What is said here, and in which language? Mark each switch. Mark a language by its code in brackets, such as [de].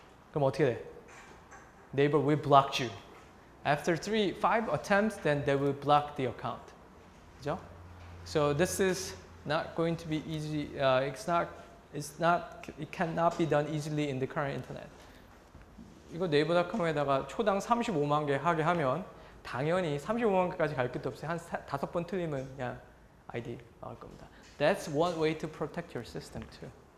[ko] 그럼 어떻게 돼? [en] Neighbor will block you. After five attempts, then they will block the account. [ko] 그죠? [en] So this is not going to be easy. It cannot be done easily in the current internet. [ko] 이거 네이버.com에다가 초당 35만 개 하게 하면 당연히 35만 개까지 갈 것도 없어요. 한 다섯 번 틀리면 그냥 ID 나올 겁니다. [en] That's one way to protect your system too.